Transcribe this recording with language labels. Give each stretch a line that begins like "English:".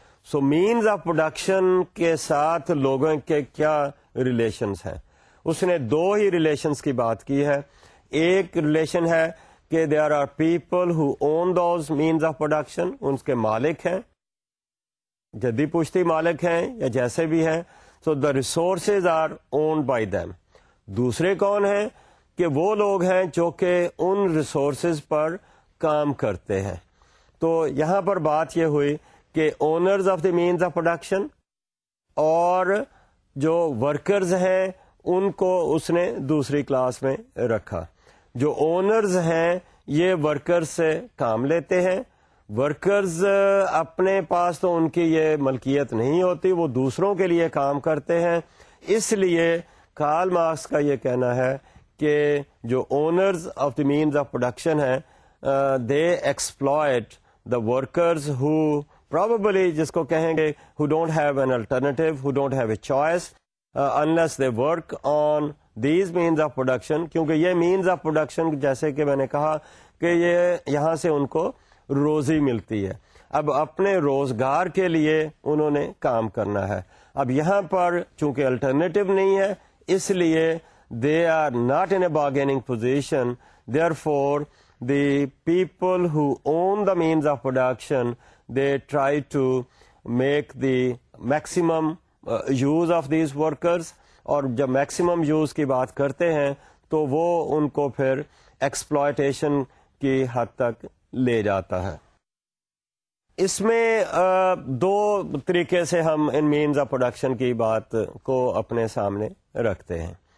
Urdu: So means of production کے ساتھ لوگوں کے کیا ریلیشنز ہیں. اس نے دو ہی ریلیشنز کی بات کی ہے. ایک ریلیشن ہے کہ
English: there are people who own those means of production,
Urdu: ان کے مالک ہیں, جدی پشتی مالک ہیں یا جیسے بھی ہیں.
English: So the resources are owned by them.
Urdu: دوسرے کون ہیں کہ وہ لوگ ہیں جو کہ ان ریسورسز پر کام کرتے ہیں. تو یہاں پر بات یہ ہوئی کہ owners of the means of production اور جو ورکرز ہیں ان کو اس نے دوسری کلاس میں رکھا. جو اونرز ہیں یہ ورکرز سے کام لیتے ہیں. ورکرز اپنے پاس تو ان کی یہ ملکیت نہیں ہوتی, وہ دوسروں کے لیے کام کرتے ہیں. اس لیے کارل مارکس کا یہ کہنا ہے کہ جو
English: owners of the means of production ہیں they exploit the workers who probably
Urdu: جس کو کہیں گے
English: Who don't have an alternative, who don't have a choice unless they work on these means of production.
Urdu: کیونکہ یہ مینز آف پروڈکشن جیسے کہ میں نے کہا کہ یہ یہاں سے ان کو روزی ملتی ہے, اب اپنے روزگار کے لیے انہوں نے کام کرنا ہے. اب یہاں پر چونکہ الٹرنیٹو نہیں ہے اس لیے
English: They are not in a bargaining position, therefore the people who own the means of production they try to make the maximum use of these workers.
Urdu: اور جب میکسیمم یوز کی بات کرتے ہیں تو وہ ان کو پھر ایکسپلوئٹیشن کی حد تک لے جاتا ہے. اس میں دو طریقے سے ہم ان مینز آف پروڈکشن کی بات کو اپنے سامنے رکھتے ہیں.